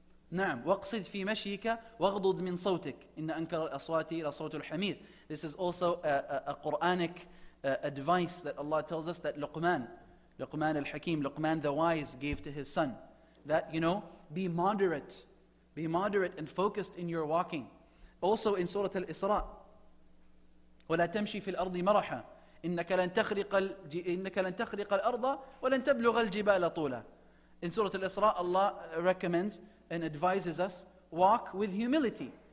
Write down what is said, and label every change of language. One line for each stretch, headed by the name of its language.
Arabic: نعم واقصد في مشيك واغضض من صوتك إن أنكر الأصوات لصوت الحمير.
English: This is also a Quranic advice that Allah tells us that Luqman al-Hakim, Luqman the wise gave to his son. That, you know, be moderate and focused in your walking. Also in Surah Al-Isra,
Arabic: وَلَا تَمْشِي فِي الْأَرْضِ مَرَحًا إِنَّكَ لَنْ تَخْرِقَ الْأَرْضَ وَلَنْ تَبْلُغَ الْجِبَالَ طُولًا.
English: In Surah Al-Isra, Allah recommends and advises us, walk with humility.